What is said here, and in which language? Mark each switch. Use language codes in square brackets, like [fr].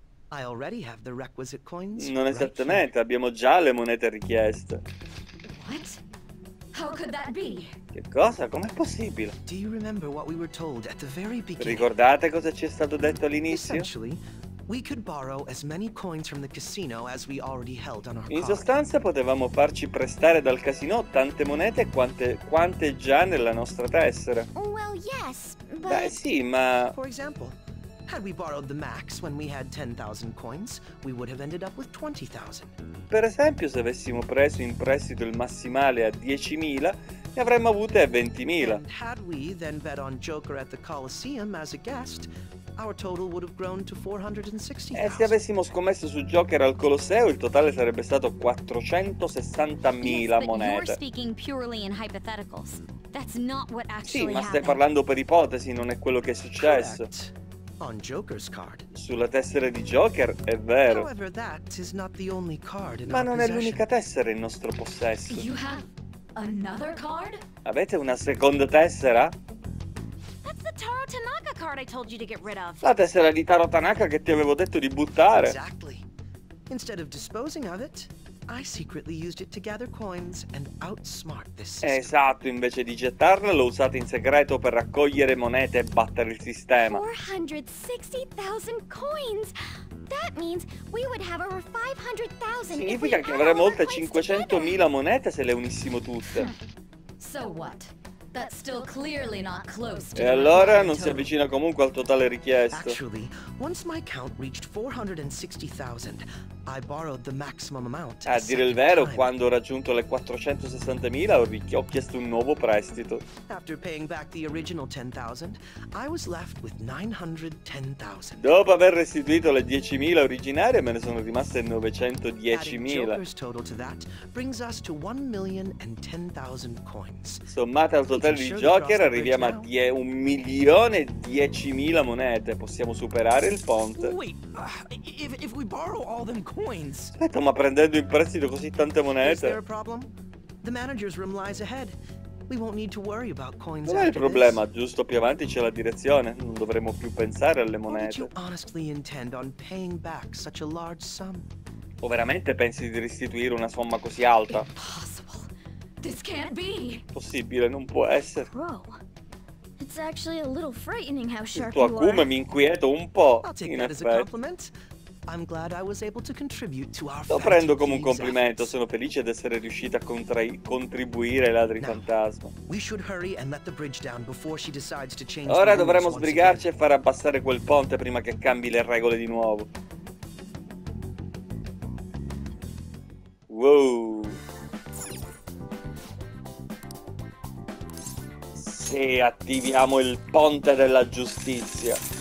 [en] I already have the requisite coins. [it] Non esattamente, right, abbiamo già le monete richieste. [en] What? How could that be? [it] Che cosa? Com'è possibile? [en] Do you remember what we were told at the very beginning? [it] Ricordate cosa ci è stato detto all'inizio? [en] We could borrow as many coins from the casino as we already held on our card. [it] In sostanza potevamo farci prestare dal casino tante monete quante già nella nostra tessera. [en] Well, yes, but... [it] Beh, sì, ma... [en] For example, Had we borrowed the max when we had 10,000 coins, we would have ended up with 20,000. [it] Per esempio, se avessimo preso in prestito il massimale a 10.000, ne avremmo avute 20.000. [en] And had we then bet on Joker at the Colosseum as a guest, our total would have grown to 460,000. [it] E se avessimo scommesso su Joker al Colosseo, il totale sarebbe stato 460.000 monete. [en] Yes, but you're speaking purely in hypotheticals. That's not what actually happened. [it] Sì, ma stai parlando per ipotesi, non è quello che è successo. [en] On Joker's card. [it] Sulla tessera di Joker, è vero. [en] However, that is not the only card in our possession. [it] Ma non è l'unica tessera in nostro possesso. [en] You have another card? [it] Avete una seconda tessera? [en] That's the Taro Tanaka card I told you to get rid of. [it] La tessera di Taro Tanaka che ti avevo detto di buttare. [en] Exactly. Instead of disposing of it, I secretly used it to gather coins and outsmart this system. [it] Esatto, invece di gettarla, l'ho usata in segreto per raccogliere monete e battere il sistema. [en] 460,000 coins! That means we would have over 500,000. [it] Significa che avremmo oltre 500,000 monete se le unissimo tutte. [en] So what? That's still clearly not close to [it] e allora non si avvicina comunque al totale richiesto. [en] Actually, once my account reached 460,000, I borrowed the maximum amount. [it] A dire il vero, quando ho raggiunto le 460,000, ho chiesto un nuovo prestito. [en] After paying back the original 10,000, I was left with 910,000. [it] Dopo aver restituito le 10,000 originarie, me ne sono rimaste 910,000. [en] Adding Joker's total to that brings us to 1,010,000 coins. [it] Sommate al totale di Joker, arriviamo a 1,010,000 monete. Possiamo superare il ponte. [en] If we borrow all them coins. [it] Aspetta, ma prendendo in prestito così tante monete? [en] The manager's room lies ahead. We won't need to worry about coins. [it] Non è il problema, giusto più avanti c'è la direzione, non dovremo più pensare alle monete. [en] Did you honestly intend on paying back such a large sum? [it] O veramente pensi di restituire una somma così alta? [en] Impossible. This can't be. [it] Possibile, non può essere. [en] Bro. It's actually a little frightening how sharp you are. [it] Il tuo acume mi inquieta un po'. [en] I'll take that as a compliment. I'm glad I was able to contribute to our. [it] Lo prendo come un complimento, sono felice di essere riuscita a contribuire ai ladri fantasma. [en] We should hurry and let the bridge down before she decides to change. [it] Ora dovremo sbrigarci e far abbassare quel ponte prima che cambi le regole di nuovo. [en] Wow. [it] Sì, attiviamo il ponte della giustizia.